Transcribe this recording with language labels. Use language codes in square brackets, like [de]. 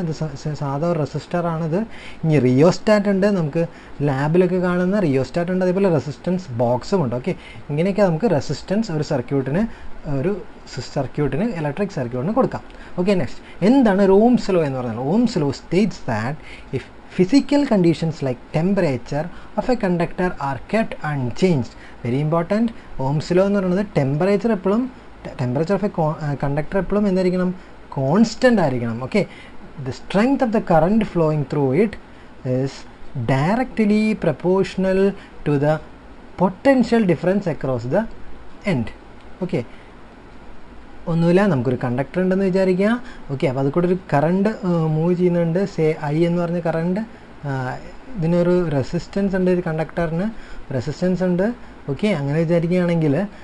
[ml] ഇത് സാധാ റെസിസ്റ്റർ ആണ്. ഇത് ഇനി റിയോസ്റ്റാറ്റ് ഉണ്ട്, നമുക്ക് ലാബിലൊക്കെ കാണുന്ന റിയോസ്റ്റാറ്റ് ഉണ്ട്, അതേപോലെ റെസിസ്റ്റൻസ് ബോക്സും ഉണ്ട്. ഓക്കെ, ഇങ്ങനെയൊക്കെ നമുക്ക് റെസിസ്റ്റൻസ് ഒരു സർക്യൂട്ടിന് ഒരു സർക്യൂട്ടിന് ഇലക്ട്രിക് സർക്യൂട്ടിന് കൊടുക്കാം. ഓക്കെ, നെക്സ്റ്റ് എന്താണ് ഓംസ് ലോ എന്ന് പറഞ്ഞാൽ? [en] Ohm's law states that if physical conditions like temperature of a conductor are kept unchanged. Very important. Ohm's law is temperature of a conductor epalum constant. Okay. The strength of the current flowing through it is directly proportional to the potential difference across the end. Okay. [ml] ഒന്നുമില്ല നമുക്ക് ഒരു conductor ഉണ്ടെന്ന് വിചാരിക്കുക okay അപ്പോൾ അത് കൂടെ ഒരു current move ചെയ്യുന്നുണ്ട് സേ ഐ എന്ന് പറഞ്ഞ കറണ്ട് ഇതിനൊരു റെസിസ്റ്റൻസ് ഉണ്ട് ഒരു കണ്ടക്ടറിന് റെസിസ്റ്റൻസ് ഉണ്ട് ഓക്കെ അങ്ങനെ വിചാരിക്കുകയാണെങ്കിൽ